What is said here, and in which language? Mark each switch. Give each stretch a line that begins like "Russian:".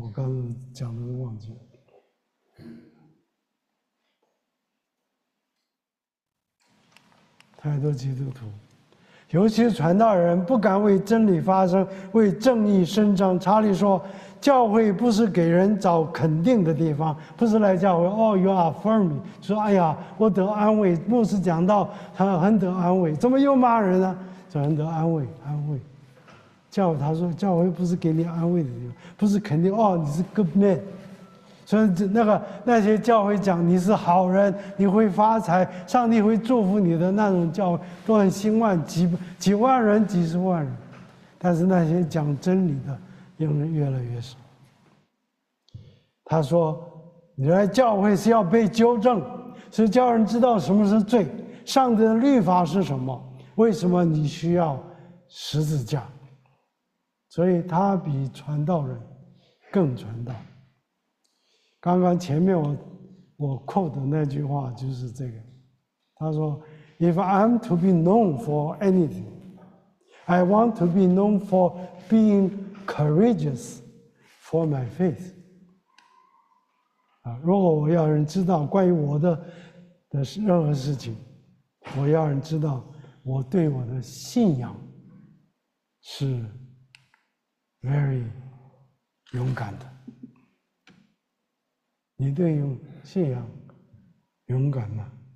Chinese: 我刚刚讲的都忘记了。太多基督徒。尤其是传道人不敢为真理发声，为正义伸张。查理说，教会不是给人找肯定的地方，不是来教会。 Oh, you affirm me，说哎呀，我得安慰。牧师讲到他很得安慰，怎么又骂人呢？就很得安慰，安慰。教会他说，教会不是给你安慰的地方，不是肯定。哦，你是 good man。所以那些教会讲你是好人，你会发财，上帝会祝福你的那种教会，都很兴旺，几万人、几十万人。但是那些讲真理的，用人越来越少。他说：“你来教会是要被纠正，是叫人知道什么是罪，上帝的律法是什么，为什么你需要十字架。” 所以他比传道人更传道。
English: 刚刚前面我 quote 的那句话就是这个，他说 ：“ If I'm to be known for anything, I want to be known for being courageous for my faith。”
Chinese: 啊，如果我要人知道关于我的任何事情，我要人知道我对我的信仰是 very 勇敢的。你对信仰勇敢吗？